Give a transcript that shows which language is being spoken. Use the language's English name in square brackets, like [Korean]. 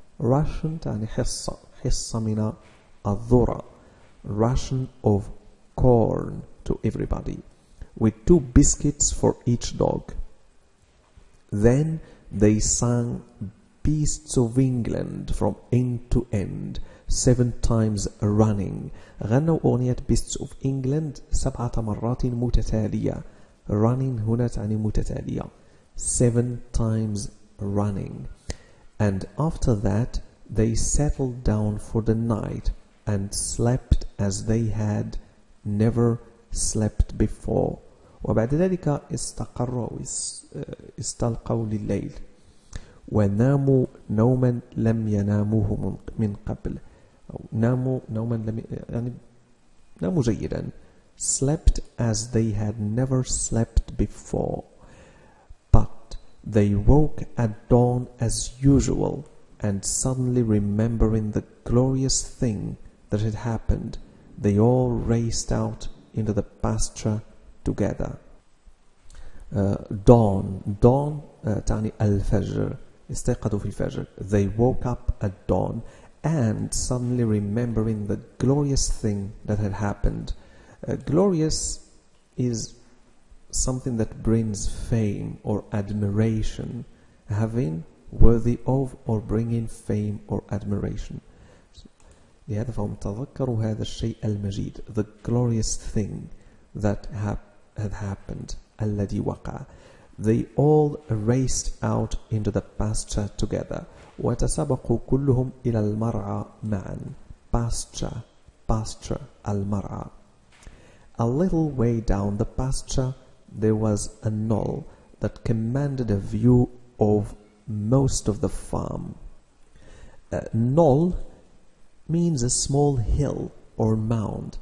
[English] Ration [Arabic] تعني حصة من الذرة [English] ration of corn to everybody with two biscuits for each dog. Then they sang Beasts of England from end to end, seven times running. [Arabic] غنوا أغنية [English] Beasts of England [Arabic] سبعة مرات متتالية. [English] Running [Arabic] هنا تعني متتالية. [English] Seven times running. And after that, they settled down for the night and slept as they had never slept before. [Arabic] وبعد ذلك استقروا استلقوا لليل. وناموا نوما لم يناموه من قبل ناموا نوما لم يعني ناموا جيدا [English] slept as they had never slept before but they woke at dawn as usual and suddenly remembering the glorious thing that had happened they all raced out into the pasture together. Dawn [Arabic] تعني الفجر استيقظوا في الفجر. [English] They woke up at dawn and suddenly remembering the glorious thing that had happened. Glorious is something that brings fame or admiration. Having, worthy of, or bringing fame or admiration. [Arabic] لهذا فهم تذكروا هذا الشيء المجيد. [English] The glorious thing that had happened. [Arabic] الذي وقع. [English] They all raced out into the pasture together. [Arabic] وتسابقوا كلهم إلى المرعى معا. [English] Pasture, [Arabic] المرعى. [English] A little way down the pasture, there was a knoll that commanded a view of most of the farm. A knoll means a small hill or mound.